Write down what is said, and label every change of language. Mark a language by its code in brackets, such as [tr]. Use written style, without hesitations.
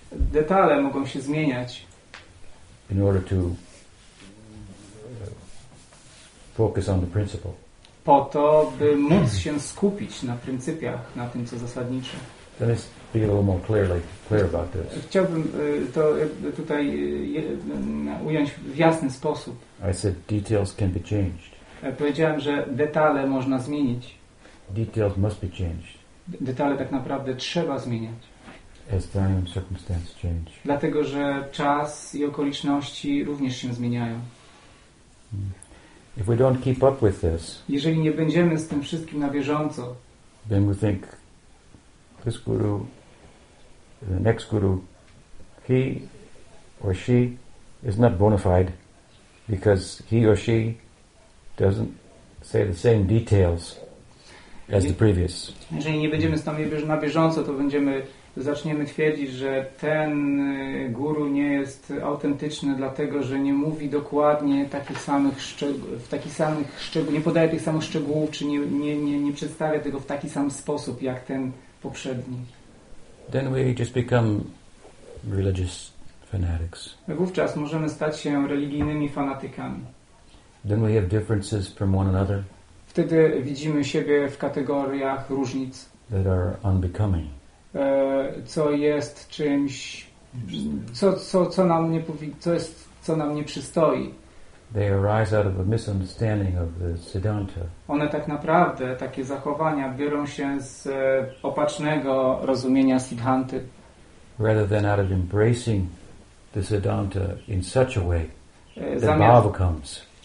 [pl] Detale mogą się zmieniać. [en] In order to focus on the principle. [pl] Po to, by móc się skupić na pryncypiach, na tym, co zasadnicze. [en] Let me be a little more clear about this. [pl] Chciałbym to tutaj ująć w jasny sposób. [en] I said details can be changed. [pl] Powiedziałem, że detale można zmienić. [en] Details must be changed. [pl] Detale tak naprawdę trzeba zmieniać. [en] As time and circumstance change. [pl] Dlatego, że czas i okoliczności również się zmieniają. [en] If we don't keep up with this, [pl] jeżeli nie będziemy z tym wszystkim na bieżąco, [en] then we think this guru, the next guru, he or she is not bona fide because he or she doesn't say the same details as the previous. [pl] Jeżeli nie będziemy z tym na bieżąco, to zaczniemy twierdzić, że ten guru nie jest autentyczny, dlatego że nie mówi dokładnie takich samych nie podaje tych samych szczegółów, czy nie przedstawia tego w taki sam sposób jak ten poprzedni. [en] Then we just become religious fanatics. [pl] Wówczas możemy stać się religijnymi fanatykami. [en] Then we have differences from one another. [pl] Wtedy widzimy siebie w kategoriach różnic. [en] That are unbecoming. [pl] Co jest czymś, co nam nie co jest, co nam nie przystoi. [en] They arise out of a misunderstanding of the Siddhanta. [pl] One tak naprawdę, takie zachowania, biorą się z opacznego rozumienia Siddhanty. [en] Rather than out of embracing the Siddhanta in such a way that bhava comes.